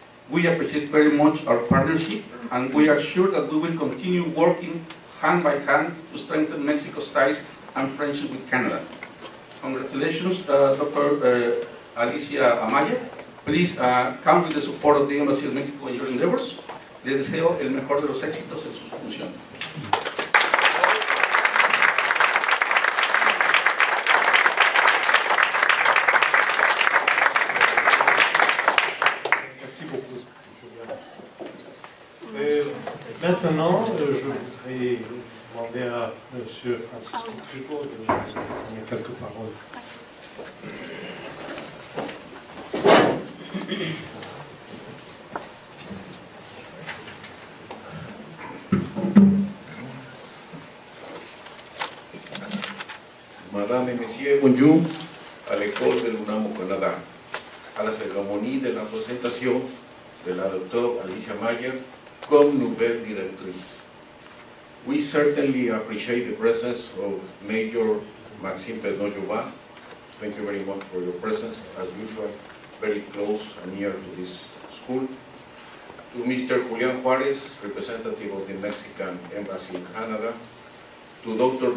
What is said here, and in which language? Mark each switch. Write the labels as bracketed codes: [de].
[en] We appreciate very much our partnership, and we are sure that we will continue working hand by hand to strengthen Mexico's ties and friendship with Canada. Congratulations, Dr. Alicia Amaya. Please count with the support of the Embassy of Mexico in your endeavors. [es] Le deseo el mejor de los éxitos en sus funciones. [fr] Merci beaucoup, Julien. Maintenant, je voudrais demander à M. Francisco Trigo de nous donner quelques paroles. Merci. Madame et Messieurs, bonjour à l'école de l'UNAM au Canada, à la cérémonie de la présentation de la Dr. Alicia Mayer comme nouvelle directrice. [en] We certainly appreciate the presence of Major Maxime Pernod-Jouba. Thank you very much for your presence, as usual, very close and near to this school. To Mr. Julian Juarez, representative of the Mexican Embassy in Canada. To Dr.